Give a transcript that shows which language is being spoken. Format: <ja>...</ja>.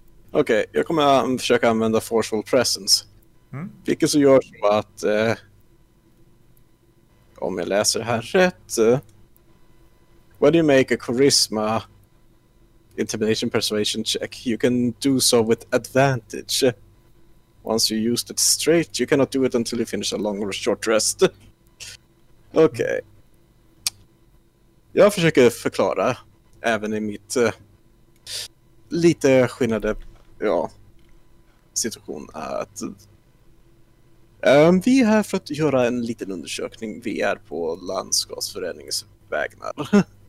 <sv>Okej, jag kommer att försöka använda Forceful Presence. Vilket så gör så att om jag läser här rätt,</sv> <en>when you make a charisma intimidation persuasion check, you can do so with advantage. Once you used it straight, you cannot do it until you finish a long or short rest.</en> <sv>Okej. Jag försöker förklara även i mitt lite skillnade, ja, situation är att vi är här för att göra en liten undersökning. Vi är på landskapsföreningens vägnar.</sv>